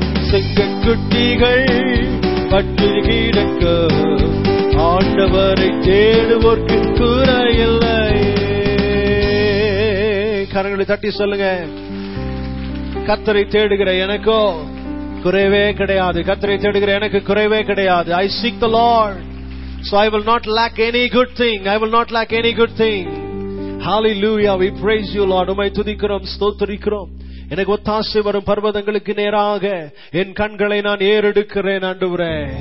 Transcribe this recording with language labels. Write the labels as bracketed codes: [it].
[ta] சிங்கக்குட்டிகள் பட்டினி கிடக்க, ஆண்டவரை தேடுவோர்க்கு கூற இல்லையே. கரங்களை தட்டி சொல்லுங்க, கர்த்தரை தேடுகிற எனக்கோ குறைவே கிடையாது. கர்த்தரை தேடுகிற எனக்கு குறைவே கிடையாது. [en] I seek the Lord, so I will not lack any good thing. I will not lack any good thing. Hallelujah, we praise you Lord. [ta] உம்மை துதிக்கிறோம், ஸ்தோத்திரிக்கிறோம். எனக்கு ஒத்தாசை வரும் பர்வதங்களுக்கு நேராக என் கண்களை நான் ஏறெடுக்கிறேன் ஆண்டவரே.